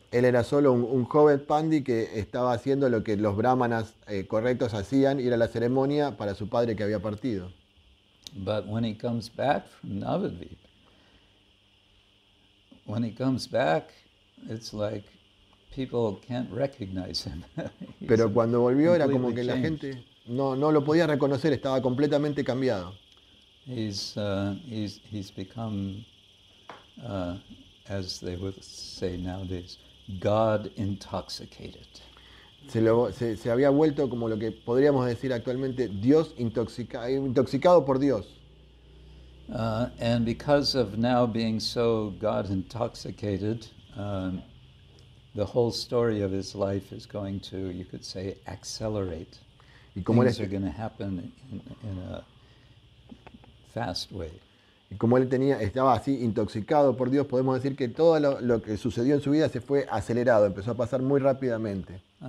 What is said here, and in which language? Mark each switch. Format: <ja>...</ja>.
<es>Él era solo un joven pandi que estaba haciendo lo que los brahmanas correctos hacían, y era la ceremonia para su padre que había partido.</es> <en>But when he comes back from Navadvip, when he comes back, it's like people can't recognize him.</en> <es>Pero cuando volvió era como que la gente no lo podía reconocer, estaba completamente cambiado.</es> <en>He's become, as they would say nowadays, God intoxicated.</en> <es>Se había vuelto como lo que podríamos decir actualmente Dios intoxicado por Dios.</es> <en>And because of now being so God intoxicated, the whole story of his life is going to, you could say, accelerate. Things are going to happen in a fast way.</en> <es>Y como él estaba así intoxicado por Dios, podemos decir que todo lo que sucedió en su vida se fue acelerado, empezó a pasar muy rápidamente.</es>